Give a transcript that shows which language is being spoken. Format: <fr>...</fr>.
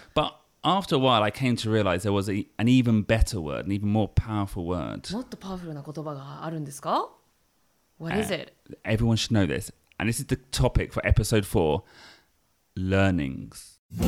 <en>But after a while, I came to realize there was an even better word, an even more powerful word.</en> <ja>もっとパワフルな言葉があるんですか?</ja> <en>What is it? Everyone should know this. And this is the topic for episode 4, learnings.</en>